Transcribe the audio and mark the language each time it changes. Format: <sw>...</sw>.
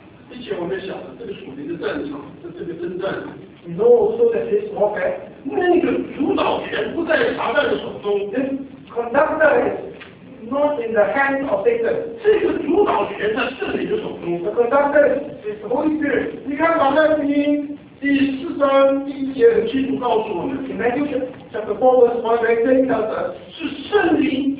<en>We know also that this warfare, this conductor is not in the hands of Satan. The conductor is the Holy Spirit.</en> <zh>你看马太福音, 第四章第一节很清楚告诉我们,</zh> <en>in Matthew chapter 4 verse 1, they say that the</en>